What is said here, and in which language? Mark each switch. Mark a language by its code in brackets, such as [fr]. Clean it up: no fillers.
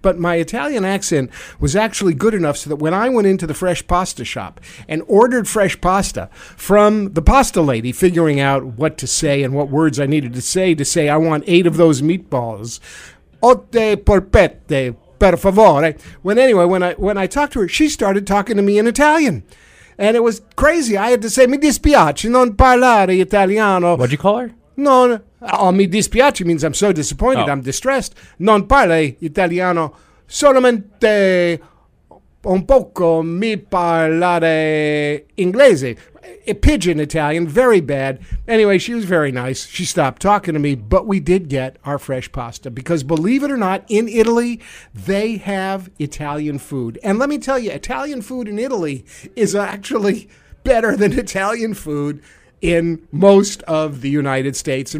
[en] But my Italian accent was actually good enough so that when I went into the fresh pasta shop and ordered fresh pasta from the pasta lady, figuring out what to say and what words I needed to say I want 8 of those meatballs, [it] otte polpette, per favore. [en] When I talked to her, she started talking to me in Italian. And it was crazy. I had to say, [it] mi dispiace, non parlare italiano. [en] What'd you call her? [it] Mi dispiace [en] means I'm so disappointed, I'm distressed. [it] Non parlare italiano, solamente un poco mi parlare inglese. [en] A pidgin Italian, very bad. Anyway, she was very nice. She stopped talking to me, but we did get our fresh pasta because, believe it or not, in Italy, they have Italian food. And let me tell you, Italian food in Italy is actually better than Italian food in most of the United States.